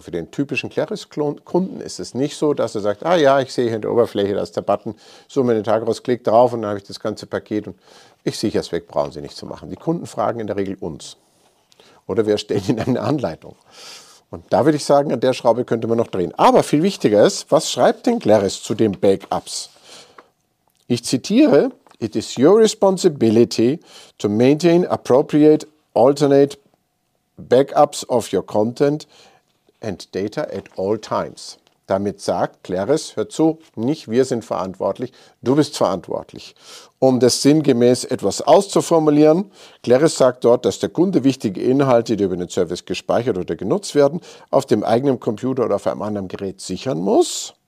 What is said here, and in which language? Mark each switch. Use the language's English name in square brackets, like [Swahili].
[German] Für den typischen Claris-Kunden ist es nicht so, dass er sagt, ah ja, ich sehe hier in der Oberfläche, da ist der Button, so mir den Tag raus, klick drauf und dann habe ich das ganze Paket und ich sichere es weg, brauchen Sie nicht zu machen. Die Kunden fragen in der Regel uns oder wir stellen Ihnen eine Anleitung. Und da würde ich sagen, an der Schraube könnte man noch drehen. Aber viel wichtiger ist, was schreibt denn Claris zu den Backups? Ich zitiere, [English] it is your responsibility to maintain appropriate alternate backups of your content and data at all times. [German] Damit sagt Claris, hör zu, nicht wir sind verantwortlich, du bist verantwortlich. Um das sinngemäß etwas auszuformulieren, Claris sagt dort, dass der Kunde wichtige Inhalte, die über den Service gespeichert oder genutzt werden, auf dem eigenen Computer oder auf einem anderen Gerät sichern muss.